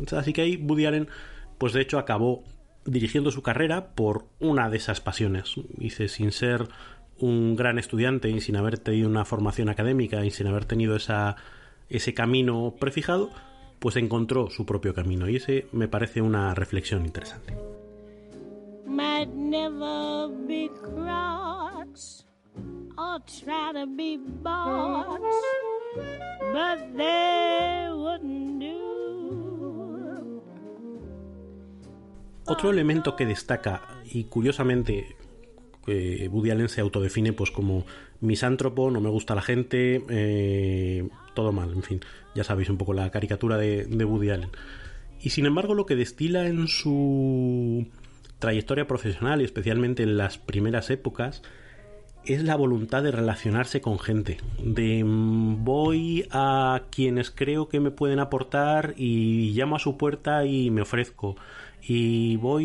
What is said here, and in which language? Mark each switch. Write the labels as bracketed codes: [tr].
[es] Así que ahí Woody Allen, pues de hecho acabó dirigiendo su carrera por una de esas pasiones. Dice, sin ser un gran estudiante y sin haber tenido una formación académica y sin haber tenido ese camino prefijado, pues encontró su propio camino, y ese me parece una reflexión interesante. [en] Might never be cross or try to be boss, but they wouldn't do. [es] Otro elemento que destaca, y curiosamente que Woody Allen se autodefine pues como misántropo, no me gusta la gente, todo mal, en fin, ya sabéis un poco la caricatura de Woody Allen. Y sin embargo, lo que destila en su trayectoria profesional y especialmente en las primeras épocas es la voluntad de relacionarse con gente, de voy a quienes creo que me pueden aportar y llamo a su puerta y me ofrezco, y